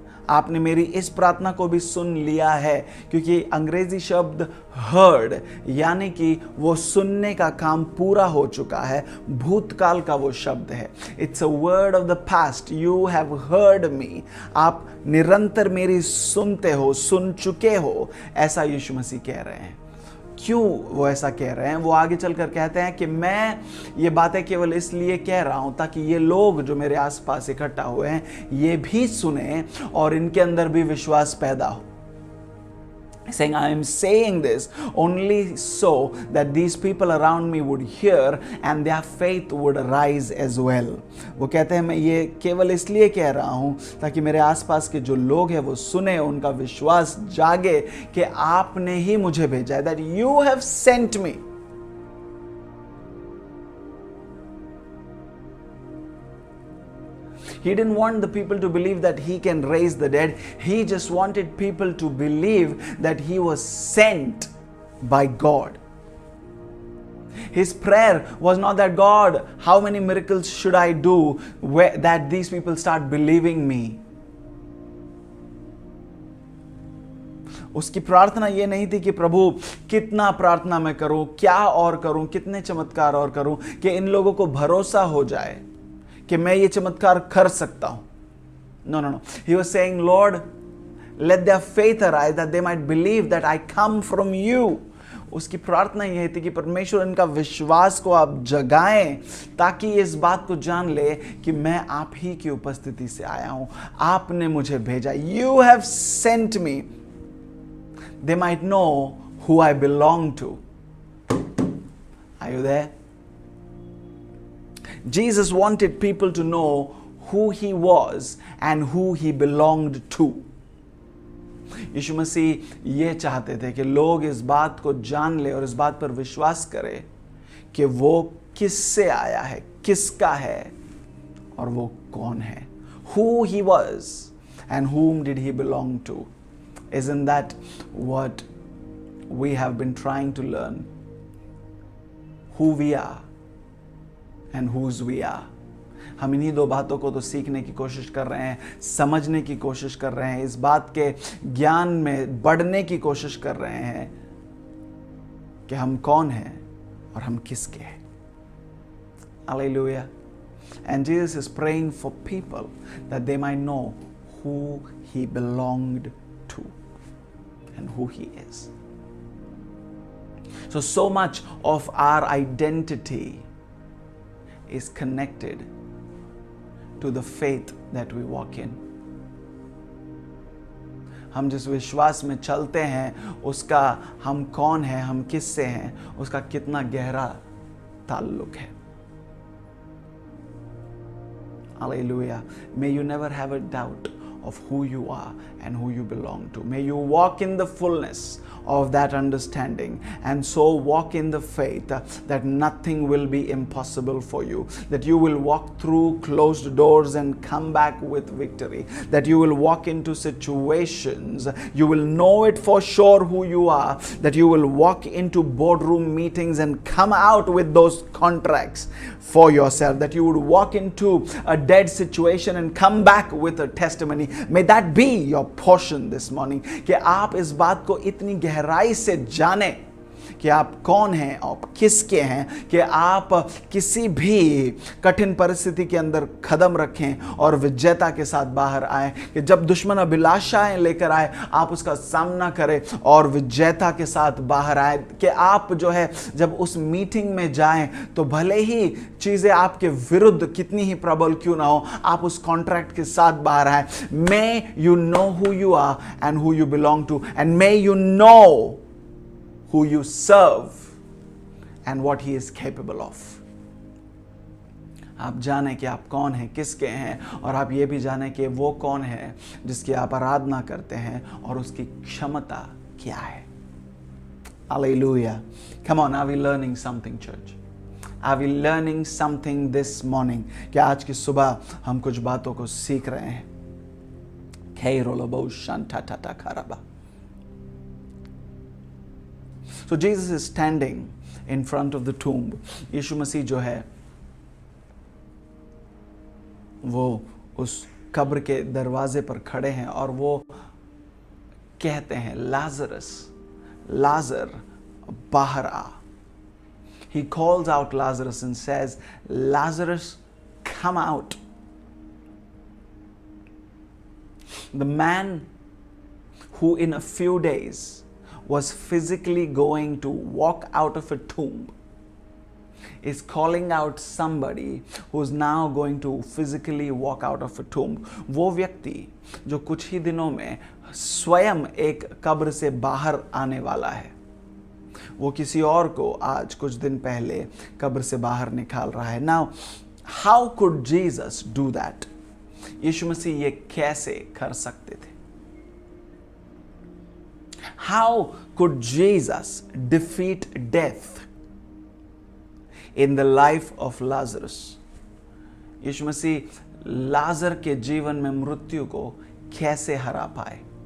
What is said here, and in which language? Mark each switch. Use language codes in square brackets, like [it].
[hi] आपने मेरी इस प्रार्थना को भी सुन लिया है, क्योंकि अंग्रेजी शब्द हर्ड यानी कि वो सुनने का काम पूरा हो चुका है, भूतकाल का वो शब्द है, [en] it's a word of the past, you have heard me, [hi] आप निरंतर मेरी सुनते हो, सुन चुके हो, ऐसा यीशु मसीह कह रहे हैं। क्यों वो ऐसा कह रहे हैं, वो आगे चलकर कहते हैं कि मैं ये बातें केवल इसलिए कह रहा हूं ताकि ये लोग जो मेरे आसपास इकट्ठा हुए हैं ये भी सुने और इनके अंदर भी विश्वास पैदा हो। [en] Saying, I am saying this only so that these people around me would hear and their faith would rise as well. [hi] वो कहते हैं, मैं ये केवल इसलिए कह रहा हूं ताकि मेरे आसपास के जो लोग हैं वो सुने, उनका विश्वास जागे कि आपने ही मुझे भेजा है, [en] that you have sent me. He didn't want the people to believe that he can raise the dead. He just wanted people to believe that he was sent by God. His prayer was not that, God, how many miracles should I do that these people start believing me? [hi] उसकी प्रार्थना ये नहीं थी कि प्रभु कितना प्रार्थना मैं करूं, क्या और करूं, कितने चमत्कार और करूं कि इन लोगों को भरोसा हो जाए कि मैं ये चमत्कार कर सकता हूं। [en] No no no, he was saying, lord let their faith arise that they might believe that I come from you. [hi] उसकी प्रार्थना यह थी कि परमेश्वर इनका विश्वास को आप जगाएं ताकि इस बात को जान ले कि मैं आप ही की उपस्थिति से आया हूं, आपने मुझे भेजा, [en] You have sent me, they might know who I belong to. Are you there? Jesus wanted people to know who he was and who he belonged to. [hi] यीशु मसीह ये चाहते थे कि लोग इस बात को जान ले और इस बात पर विश्वास करें कि वो किससे आया है, किसका है और वो कौन है, [en] who he was and whom did he belong to. Isn't that what we have been trying to learn? Who we are and whose we are. [hi] हम इन्हीं दो बातों को तो सीखने की कोशिश कर रहे हैं, समझने की कोशिश कर रहे हैं, इस बात के ज्ञान में बढ़ने की कोशिश कर रहे हैं कि हम कौन हैं और हम किसके हैं। [en] Hallelujah. And Jesus is praying for people that they might know who he belonged to and who he is. So much of our identity is connected to the faith that we walk in. [hi] हम जिस विश्वास में चलते हैं उसका हम कौन हैं, हम किससे हैं, उसका कितना गहरा ताल्लुक है। [en] Hallelujah. May you never have a doubt of who you are and who you belong to. May you walk in the fullness of that understanding and so walk in the faith that nothing will be impossible for you, that you will walk through closed doors and come back with victory, that you will walk into situations, you will know it for sure who you are, that you will walk into boardroom meetings and come out with those contracts for yourself, that you would walk into a dead situation and come back with a testimony. May that be your portion this morning, [hi] ke aap is baat ko itni गहराई से जाने कि आप कौन हैं, आप किसके हैं, कि आप किसी भी कठिन परिस्थिति के अंदर कदम रखें और विजेता के साथ बाहर आए, कि जब दुश्मन अभिलाषाएं लेकर आए आप उसका सामना करें और विजेता के साथ बाहर आए, कि आप जो है जब उस मीटिंग में जाएं तो भले ही चीजें आपके विरुद्ध कितनी ही प्रबल क्यों ना हो, आप उस कॉन्ट्रैक्ट के साथ बाहर आए। [en] May you know who you are and who you belong to, and may you know who you serve and what he is capable of. [hi] आप जाने कि आप कौन हैं, किसके हैं, और आप ये भी जाने कि वो कौन है जिसकी आप आराधना करते हैं और उसकी क्षमता क्या है। Hallelujah. [en] Come on, are we learning something church? Are we learning something this morning? [hi] क्या आज की सुबह हम कुछ बातों को सीख रहे हैं? [en] So Jesus is standing in front of the tomb. [hi] यीशु मसीह जो है वो उस कब्र के दरवाजे पर खड़े हैं और वो कहते हैं, Lazarus, Lazar, बाहर आ। [en] He calls out Lazarus and says, Lazarus, come out. The man who in a few days was physically going to walk out of a tomb is calling out somebody who is now going to physically walk out of a tomb. [hi] वो व्यक्ति जो कुछ ही दिनों में स्वयं एक कब्र से बाहर आने वाला है, वो किसी और को आज कुछ दिन पहले कब्र से बाहर निकाल रहा है। [en] Now, how could Jesus do that? [hi] यीशु मसीह ये कैसे कर सकते थे? [en] How could Jesus defeat death in the life of Lazarus? [hi] यीशु मसीह लाजर के जीवन में मृत्यु को कैसे हरा पाए?